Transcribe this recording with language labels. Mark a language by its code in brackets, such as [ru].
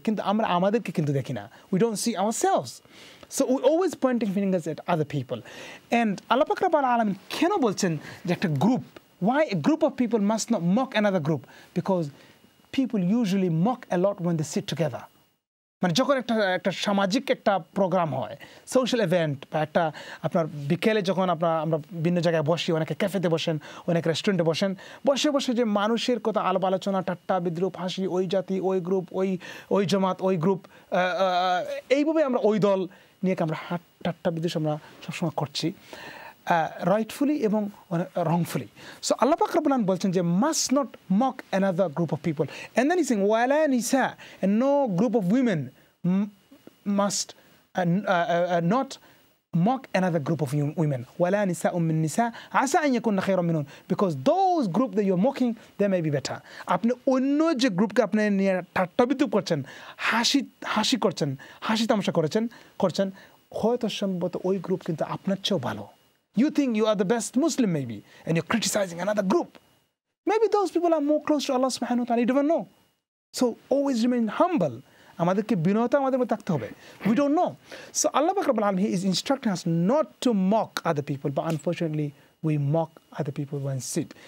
[bn] Kintu amra amader ke kintu dekhi na. [en] We don't see ourselves. So we always pointing fingers at other people. And Allah pak rabbal alamin [bn] keno bolchen je ekta group, [en] why a group of people must not mock another group? Because people usually mock a lot when they sit together. [bn] মানে যখন একটা সামাজিক একটা programme হয়, social event বা একটা আপনার বিকেলে যখন আপনার আমরা বিভিন্ন জায়গায় বসি, অনেকে ক্যাফেতে বসেন, অনেকে রেস্টুরেন্টে বসেন, বসে বসে যে মানুষের কথা আলাপ আলোচনা, ঠাট্টা বিদ্রুপ, হাসি, ওই জাতি, ওই গ্রুপ, ওই জামাত, ওই গ্রুপ, এইভাবে আমরা ওই দল নিয়ে আমরা ঠাট্টা বিদ্রুপ আমরা সবসময় করছি, rightfully এবং wrongfully. [en] So Allah [bn] পাক রাব্বুল আলামিন বলছেন যে [en] must not mock another group of people. And then he's saying, [ar] وَلَا نِسَاءَ, [en] and no group of women must not mock another group of women. [ar] وَلَا نِسَاءُ مِّن نِسَاءَ عَسَىٰ أَن يَكُنَّ خَيْرًا مِّنْهُنَّ, [en] because those group that you're mocking, they may be better. [bn] আপনি অন্য যে গ্রুপকে আপনি নিয়ে ঠাট্টাবিদ্রুপ করছেন, হাসি করছেন, হাসি তামাশা করছেন, হয়তো সম্ভবত ওই গ্রুপ কিন্তু আপনার চেয়েও ভালো. [en] You think you are the best Muslim, maybe, and you're criticizing another group. Maybe those people are more close to Allah subhanahu wa ta'ala. You don't know. So always remain humble. We don't know. So Allah Bakr al-Alam, He is instructing us not to mock other people, but unfortunately, we mock other people when sit.